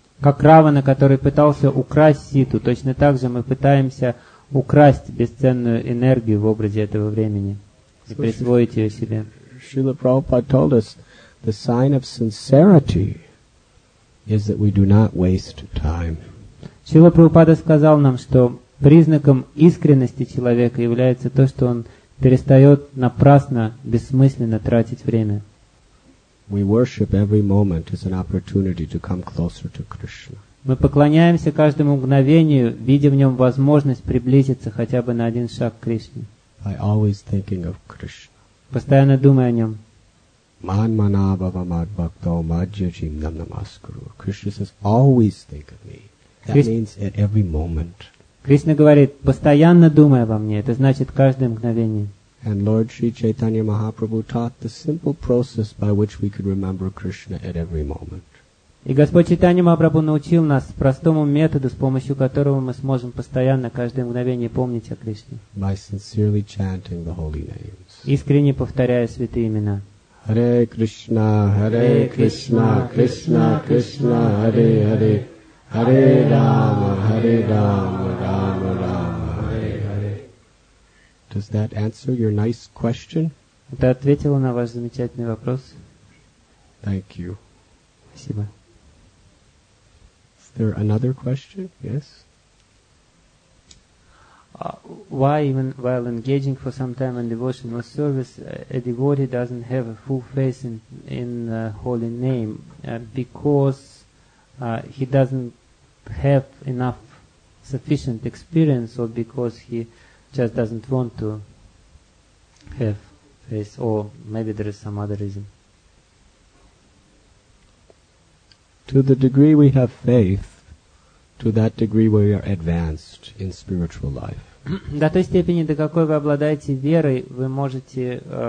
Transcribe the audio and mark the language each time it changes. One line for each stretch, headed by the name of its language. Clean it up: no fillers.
Russian: Как Равана, который пытался украсть Ситу, точно так же мы пытаемся украсть бесценную энергию в образе этого времени и присвоить ее себе.
English: Srila Prabhupada told us the sign of sincerity is that we do not waste time.
Russian: Srila Prabhupada сказал нам, что признаком искренности человека является то, что он перестает напрасно, бессмысленно тратить время.
English: We worship every moment as an opportunity to come closer to Krishna.
Russian: Мы поклоняемся каждому мгновению, видя в нем возможность приблизиться хотя бы на один шаг к Кришне.
English: By always thinking of Krishna.
Russian: Постоянно думая о нем.
Sanskrit: Man manabhava mad bhakto madhyajim nam namaskuru.
English: Krishna says, always think of me. That means at every moment.
Russian: Кришна говорит, постоянно думая обо мне. Это значит каждое мгновение.
English: And Lord Sri Chaitanya Mahaprabhu taught the simple process by which we could remember Krishna at every moment.
Russian: И Господь Чайтанья Махапрабху научил нас простому методу, с помощью которого мы сможем постоянно, каждое мгновение помнить о Кришне.
English: By sincerely chanting the holy names.
Russian: Искренне повторяя святые имена.
Sanskrit: Hare Krishna, Hare Krishna, Krishna Krishna, Hare Hare, Hare Rama, Hare Rama, Rama Rama, Hare Hare.
English: Does that answer your nice question?
Russian: Это ответило на ваш замечательный вопрос?
English: Thank you.
Russian: Спасибо.
English: Is there another question? Yes? Why even while engaging for some time in devotional service, a devotee doesn't have a full faith in the holy name? Because he doesn't have enough sufficient experience, or because he just doesn't want to have faith, or maybe there is some other reason. To the degree we have faith, to that degree we are advanced in spiritual life.
Russian: До той степени, до какой вы обладаете верой, вы можете...